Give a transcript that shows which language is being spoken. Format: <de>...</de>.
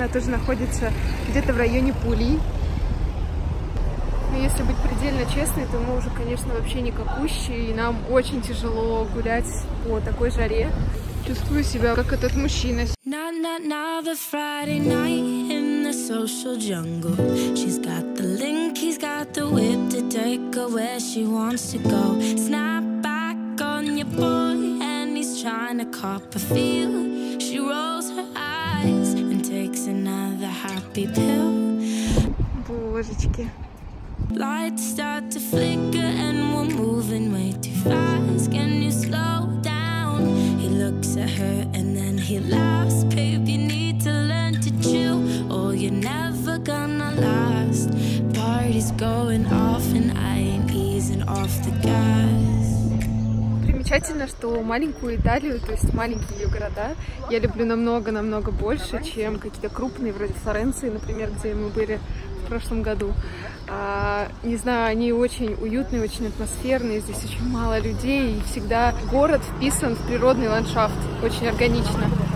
<ru>Она тоже находится где-то в районе Пули. Но если быть предельно честной, то мы уже, конечно, вообще не какущие, и нам очень тяжело гулять по такой жаре. Чувствую себя как этот мужчина.</ru> <en>Social jungle. She's got the link, he's got the whip to take her where she wants to go. Snap back on your boy, and he's trying to cop a feel. She rolls her eyes and takes another happy pill.</en> <ru>Божечки.</ru> <en>Lights start to flicker, and we're moving way too fast. Can you slow down? He looks at her and then he laughs. Babe, you need to learn to chill. You're never gonna last. Party's going off and I'm easing off the gas.</en> <ru>Примечательно, что маленькую Италию, то есть маленькие ее города, я люблю намного-намного больше, чем какие-то крупные, вроде Флоренции, например, где мы были в прошлом году. А, не знаю, они очень уютные, очень атмосферные, здесь очень мало людей, и всегда город вписан в природный ландшафт, очень органично.</ru>